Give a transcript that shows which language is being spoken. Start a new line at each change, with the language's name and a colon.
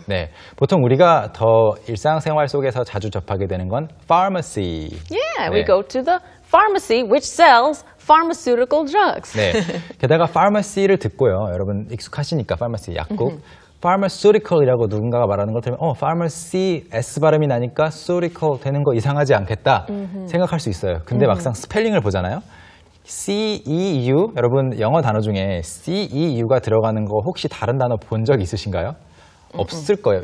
Korean: 네, 보통 우리가 더 일상생활 속에서 자주 접하게 되는 건 pharmacy. Yeah, 네.
English: we go to the pharmacy which sells pharmaceutical drugs.
Korean: 네, 게다가 pharmacy를 듣고요. 여러분 익숙하시니까 pharmacy, 약국. pharmaceutical이라고 누군가가 말하는 것 들으면 pharmacy, S 발음이 나니까 surical 되는 거 이상하지 않겠다 생각할 수 있어요. 근데 막상 스펠링을 보잖아요. CEU, 여러분 영어 단어 중에 CEU가 들어가는 거 혹시 다른 단어 본 적 있으신가요? 없을 거예요.